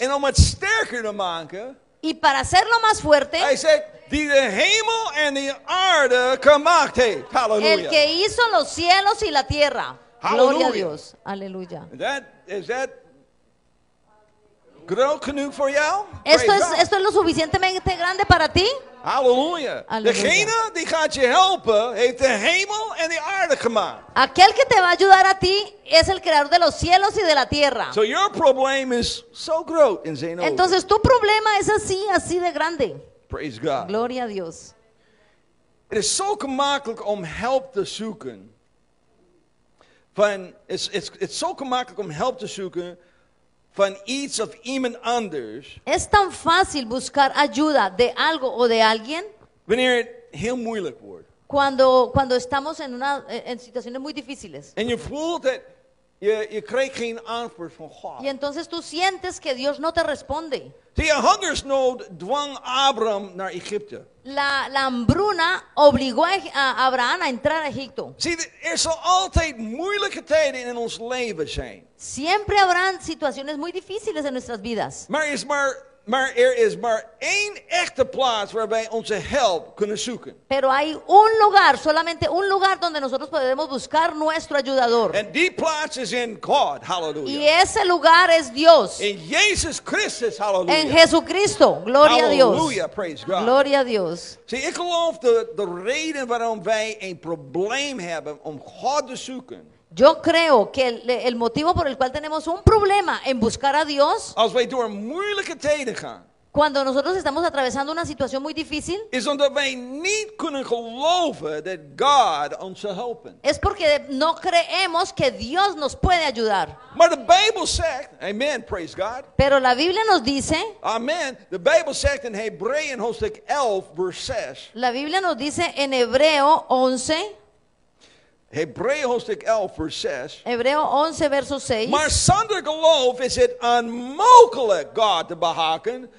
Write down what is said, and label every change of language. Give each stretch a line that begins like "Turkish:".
Dutch: En om het sterker te maken.
Spanish: Y para hacerlo más fuerte.
English: I said,
Dutch: die de hemel en de aarde gemaakt heeft. Halleluja.
Spanish: El que hizo los cielos y la tierra. Halleluja. Gloria a Dios. Aleluya.
English: Is that
Dutch: groot genoeg voor jou?
Spanish: Esto es lo suficientemente grande para ti. Halleluja.
Dutch: Degene die gaat je helpen, heeft de hemel en de aarde gemaakt.
Spanish: Aquel que te va a ayudar a ti es el creador de los cielos y de la tierra.
English: So your problem is so great in Zeno.
Spanish: Entonces tu problema es así de grande.
English: Praise God.
Spanish: Gloria a Dios.
English: It is so
Dutch: gemakkelijk om help te zoeken.
English: It's so
Dutch: gemakkelijk om help te zoeken van iets of iemand anders.
Spanish: Es tan fácil buscar ayuda de algo o de alguien.
Dutch: Wanneer het heel moeilijk wordt.
Spanish: Cuando estamos en situaciones muy difíciles.
English: And you feel that
Dutch: je krijgt geen antwoord van God.
Spanish: Y entonces tú sientes que Dios no te responde.
Dutch: See, a hungersnood dwang Abraham naar Egypte.
Spanish: La hambruna obligó a Abraham a entrar a Egipto.
Dutch: See, er zal altijd moeilijke tijden in ons leven zijn.
Spanish: Siempre habrán situaciones muy difíciles en nuestras vidas.
Dutch: Maar er is maar één echte plaats waarbij onze help kunnen zoeken.
Spanish: Pero hay un lugar, solamente un lugar donde nosotros podemos buscar nuestro ayudador.
Dutch: And die plaats is in God, hallelujah.
Spanish: Y ese lugar es Dios.
Dutch: In Jesus Christus, hallelujah.
Spanish: En Jesucristo, gloria hallelujah, a Dios.
English: Hallelujah, praise God.
Spanish: Gloria a Dios.
Dutch: See, ik geloof de reden waarom wij een probleem hebben om God te zoeken.
Spanish: Yo creo que el motivo por el cual tenemos un problema en buscar a Dios,
Dutch: als wij door moeilijke tijden gaan,
Spanish: cuando nosotros estamos atravesando una situación muy difícil,
Dutch: is omdat wij niet kunnen geloven dat God ons zal helpen.
Spanish: Es porque no creemos que Dios nos puede ayudar.
Dutch: Maar de Bijbel zegt,
English: amen, praise God.
Spanish: Pero la Biblia nos dice,
Dutch: amen, de Bijbel zegt in Hebreeën hoofdstuk 11, vers 6.
Spanish: La Biblia nos dice en Hebreo 11.
Dutch: Hebreeën hoofdstuk 11, vers 6.
Spanish: Hebreo 11, verso 6.
Dutch: Maar zonder geloof is het onmogelijk God te behagen.